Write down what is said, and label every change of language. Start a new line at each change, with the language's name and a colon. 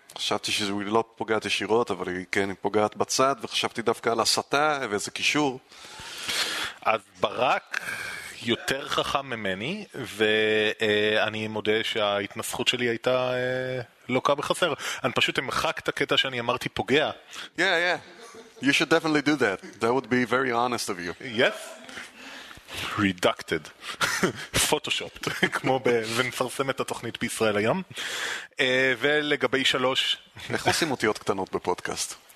Hebrew: חשבתי שהיא לא פוגעת ישירות, אבל היא כן פוגעת בצד, וחשבתי דווקא על הסתה ואיזה קישור. אז ברק יותר חכם ממני, ואני מודה שההתנסחות שלי הייתה לוקה בחסר. אני פשוט המחק את הקטע שאני אמרתי פוגע.
English: Yeah. You should definitely do that. That would be very honest of you. Yes. Redacted. Photoshopped.
Hebrew: כמו ונפרסם את התוכנית בישראל היום. ולגבי שלוש... איך עושים אותיות קטנות בפודקאסט?